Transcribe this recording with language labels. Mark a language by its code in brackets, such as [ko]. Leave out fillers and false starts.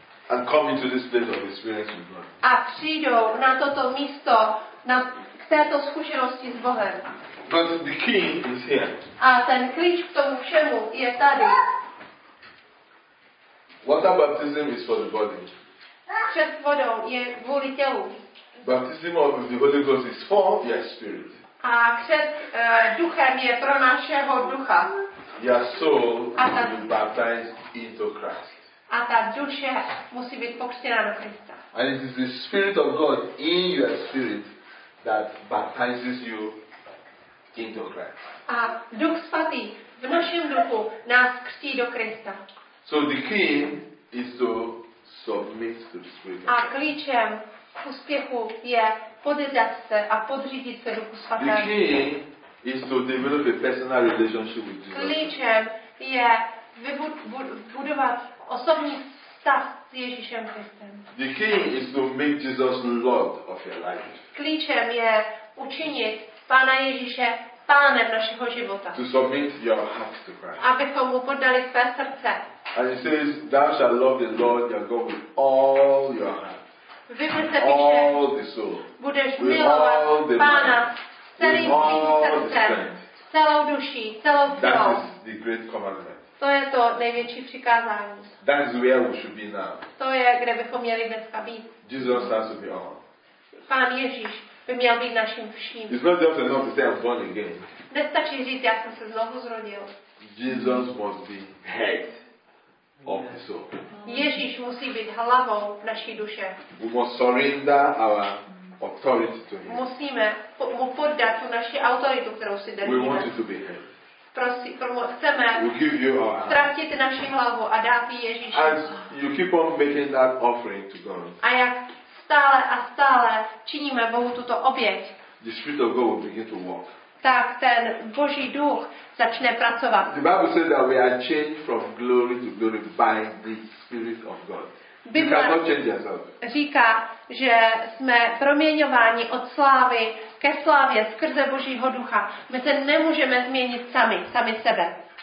[en] And come into this place of experience with God. [cs] A přijdou na toto místo, na k této zkušenosti s Bohem. [en] But the key is here. [cs] A ten klíč k tomu všemu je tady. [en] Water baptism is for the body. [cs] Křest vodou je kvůli tělu. [en] Baptism of the Holy Ghost is for your spirit. [cs] A křest duchem je pro našeho ducha. [en] Your soul must be baptized into Christ. [cs] A ta duše musí být pokřtěna do Krista. [en] And it is the Spirit of God in your spirit that baptizes you into Christ. [cs] A Duch Svatý v našem duchu nás křtí do Krista. [en] So the key is to submit to the Spirit. [cs] A klíčem k úspěchu je podřídit se a podřídit se Duchu Svatému. [en] The key is to develop a personal relationship with Jesus. [cs] Klíčem je budovat osobní vztah s Ježíšem Kristem. [en] The key is to make Jesus Lord of your life. [cs] Klíčem je učinit Pána Ježíše pánem našeho života. [en] To submit your heart to Christ. [cs] Abychom mu poddali své srdce. [en] And it says, thou shalt love the Lord your God with all your heart. [cs] Vypíše, [en] all the soul. [cs] Budeš milovat Pána celým svým srdcem, celou duší, celou silou. To je to největší přikázání. [en] That is where we should be now. [cs] To je, kde bychom měli dneska být. [en] Jesus has to be all. [cs] Pán Ježíš by měl být naším vším. [en] It's not just enough to say I'm born again. [cs] Nestačí říct, já jsem se znovu zrodil. [en] Jesus must be head of the soul. [cs] Ježíš musí být hlavou naší duše. [en] We must surrender our authority to him. [cs] Musíme mu poddat tu naši autoritu, kterou si držíme. [en] We want you to be head. [cs] Chceme ztratit naši hlavu a dát ji Ježíši. [en] As you keep on making that offering to God. [cs] A jak stále a stále činíme Bohu tuto oběť. [en] The Spirit of God will begin to work. [cs] Tak ten Boží duch začne pracovat. [en] The Bible says that we are changed from glory to glory by the Spirit of God. [cs] Bible říká, že jsme proměňováni od slávy ke slávě skrze Božího ducha. My se nemůžeme změnit sami sebe.